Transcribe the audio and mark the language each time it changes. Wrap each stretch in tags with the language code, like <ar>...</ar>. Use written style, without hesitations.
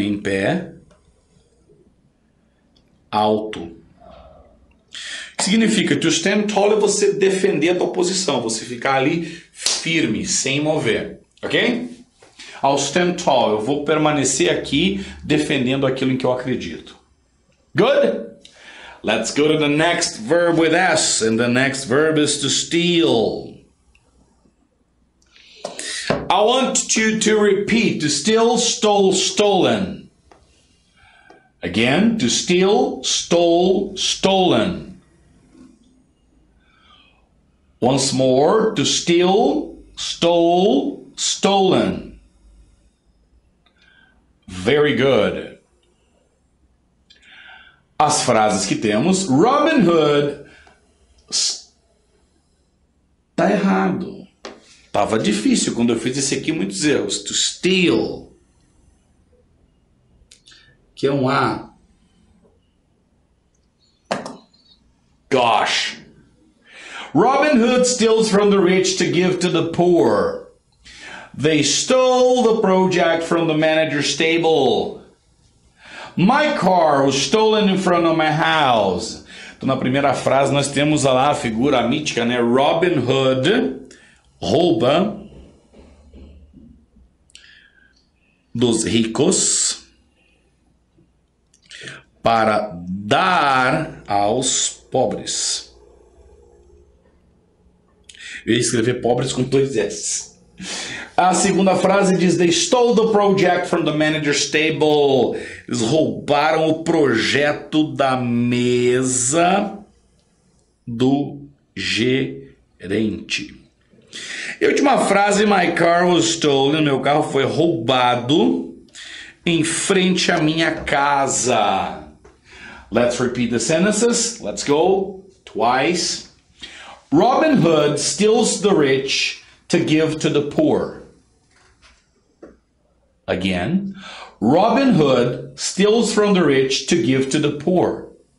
<pt>Em pé alto. Significa</pt> <en>to stand tall</en> <pt>é você defender a tua posição, você ficar ali firme, sem mover. Ok?</pt> <en>I'll stand tall.</en> <pt>Eu vou permanecer aqui defendendo aquilo em que eu acredito.</pt> <en>Good? Let's go to the next verb with S, and the next verb is to steal. I want you to repeat, to steal, stole, stolen. Again, to steal, stole, stolen. Once more, to steal, stole, stolen. Very good.</en> <pt>As frases que temos, Robin Hood está errado. Tava difícil quando eu fiz esse aqui, muitos erros.</pt> <en>To steal,</en> <pt>que é um A.</pt> <en>Gosh. Robin Hood steals from the rich to give to the poor. They stole the project from the manager's table. My car was stolen in front of my house.</en> <pt>Então, na primeira frase, nós temos lá a figura mítica, né? Robin Hood rouba dos ricos para dar aos pobres. Eu ia escrever pobres com dois S. A segunda frase diz,</pt> <en>they stole the project from the manager's table.</en> <pt>Eles roubaram o projeto da mesa do gerente. E a última frase,</pt> <en>my car was stolen.</en> <pt>Meu carro foi roubado em frente à minha casa.</pt> <en>Let's repeat the sentences. Let's go twice. Robin Hood steals the rich to give to the poor. Again, Robin Hood steals from the rich to give to the poor.</en>